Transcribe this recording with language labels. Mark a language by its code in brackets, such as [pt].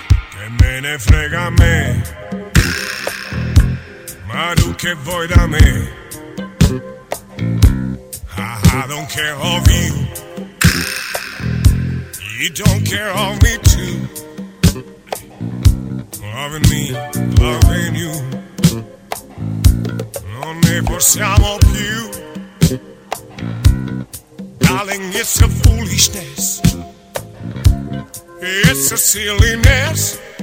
[it] Che me ne frega a me, ma tu che vuoi da me? [en] I don't care of you, you don't care of me too. Loving me, loving you, [it] non ne possiamo più. [en] Darling, it's a foolishness, it's a silliness.